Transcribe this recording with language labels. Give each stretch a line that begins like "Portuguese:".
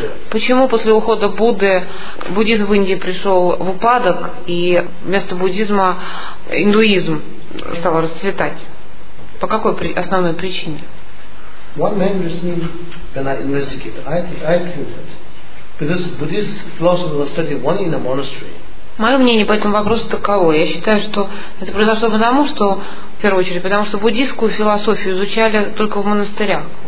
Russian: Почему после ухода Будды буддизм в Индии пришел в упадок и вместо буддизма индуизм стал расцветать? По какой основной причине?
English: One main reason, when I investigate, I think that because Buddhist philosophy was studied only in a monastery.
Russian: Мое мнение по этому вопросу таково. Я считаю, что это произошло потому, что, в первую очередь, потому что буддийскую философию изучали только в монастырях.